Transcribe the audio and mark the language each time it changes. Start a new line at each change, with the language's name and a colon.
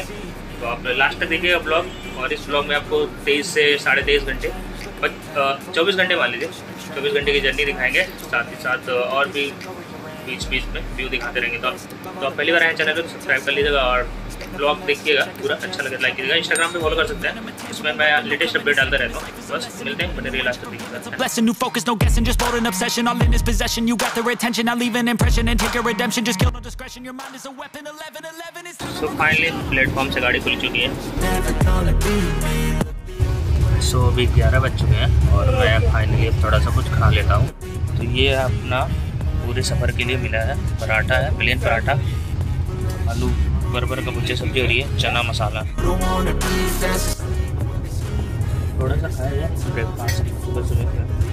Hindi: तो आप लास्ट तक देखिएगा ब्लॉग, और इस ब्लॉग में आपको 24 घंटे मान लीजिए 24 घंटे की जर्नी दिखाएंगे, साथ ही साथ और भी बीच बीच में व्यू दिखाते रहेंगे। तो आप पहली बार आए चैनल पर सब्सक्राइब कर लीजिएगा और ब्लॉग देखिएगा पूरा, अच्छा लगे लाइक कीजिएगा, इंस्टाग्राम पे फॉलो कर सकते हैं, उसमें मैं लेटेस्ट अपडेट डालता रहता हूँ। बस मिलते हैं, बने रहिए लास्ट तक, देखिएगा।
English: Blessing, new focus, no guessing, just bold and obsession, all in his possession, you got the retention, I'll leave an impression and take a redemption, just kill no discretion, your mind is a weapon, 11-11 is... So finally,
Hindi: platform से गाड़ी खुल चुकी है। सो अभी 11 बज चुके हैं और मैं फाइनली थोड़ा सा कुछ खा लेता हूँ। तो ये अपना पूरे सफ़र के लिए मिला है पराठा है, प्लेन पराठा, आलू बर्बर का भुजिया सब्जी हो रही है, चना मसाला, थोड़ा सा खाया जाए ब्रेकफास्ट सुबह सुबह का।